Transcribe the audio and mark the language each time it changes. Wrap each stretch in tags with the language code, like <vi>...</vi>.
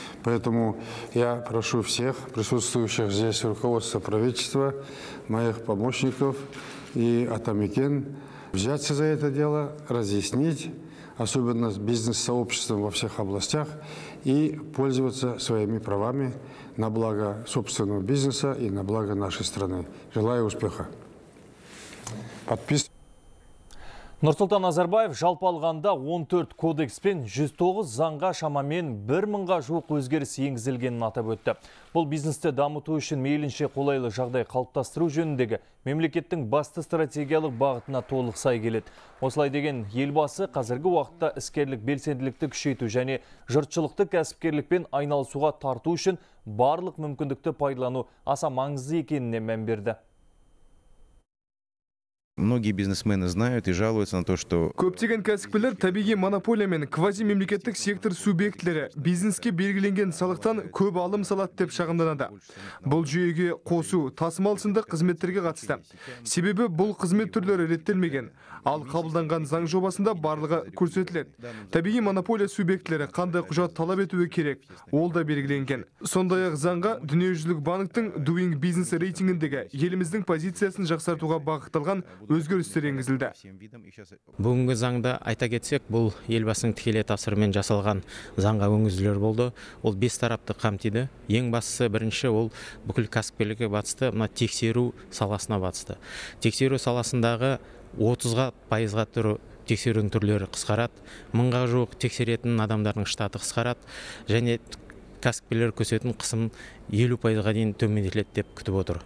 <ru>Поэтому я прошу всех присутствующих здесь руководство правительства, моих помощников и Атамекен взяться за это дело, разъяснить, особенно с бизнес-сообществом во всех областях, и пользоваться своими правами на благо собственного бизнеса и на благо нашей страны. Желаю успеха.</ru> <kk>Нұрсұлтан Назарбаев жалпы алғанда 14 кодекс пен 109 заңға шамамен 1000-ға жуық өзгеріс енгізілгенін атап өтті. Бұл бизнесті дамыту үшін мейлінше қолайлы жағдай қалыптастыру жөніндегі мемлекеттің басты стратегиялық бағытына толық сай келеді. Осылай деген елбасы қазіргі уақытта іскерлік белсенділікті күшейту және жұртшылықты кәсіпкерлікпен айналысуға тарту үшін барлық мүмкіндікті пайдалану аса маңызды екеніне мән берді.</kk> <ru>Многие бизнесмены знают и жалуются на то, что...</ru> <kk>Көптеген кәсіпкерлер табиғи монополия мен квазимемлекеттік сектор субъектілері бизнеске белгіленген салықтан көп алым салады деп шағымданады. Бұл жүйеге қосу, тасымал сынды қызметтерге қатысты. Себебі бұл қызмет түрлері реттелмеген. Ал қабылданған заң жобасында барлығы көрсетіледі. Табиғи монополия субъектілері қандай құжат талап етуі керек, ол да белгіленген. Сондай-ақ заңға дүниежүзілік банктің Doing Business рейтингіндегі еліміздің позициясын жақсартуға бағытталған өзгерістер енгізілді. Бүгінгі заңда айта кетсек, бұл елбасының тікелей тапсырмен жасалған заңға өзгерістер болды. Ол 5 тарапты қамтиды. Ең бастысы, бірінші, ол бүкіл кәсіпкерлікке қатысты, мына тексеру саласына қатысты. Тексеру саласындағы 30-ға пайызға тұру тексерудің түрлері қысқарады, 1000-ға жуық тексеретін адамдардың штаты қысқарады, және кәсіпкерлер көрсететін қысым 50%-ға дейін төмендетіледі деп күтіп отыр.</kk>